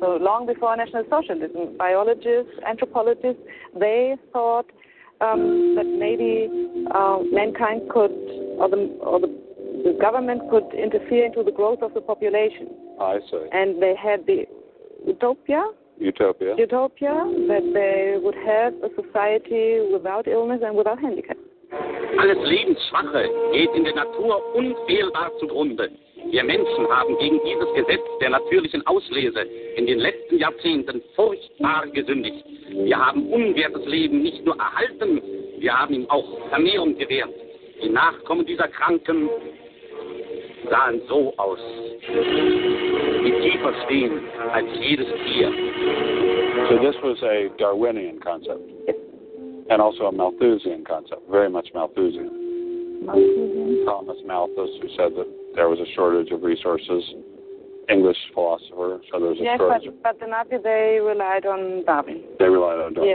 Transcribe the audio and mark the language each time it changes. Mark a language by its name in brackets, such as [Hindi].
[English] So long before National Socialism, biologists, anthropologists, they thought that maybe mankind could, or the government could interfere into the growth of the population. I see. And they had the utopia. Utopia. Utopia, that they would have a society without illness and without handicap. [German] Alles Lebensschwache geht in der Natur unfehlbar zugrunde. Wir Menschen haben gegen dieses Gesetz der natürlichen Auslese in den letzten Jahrzehnten furchtbar gesündigt. Wir haben unwertes Leben nicht nur erhalten, wir haben ihm auch Vermehrung gewährt. Die Nachkommen dieser Kranken sahen so aus, die tiefer stehen als jedes Tier. [English] So this was a Darwinian concept. And also a Malthusian concept, very much Malthusian. Thomas Malthus, who said that there was a shortage of resources, English philosopher, so there was a shortage. Yes, but the Nazi, they relied on Darwin. They relied on Darwin.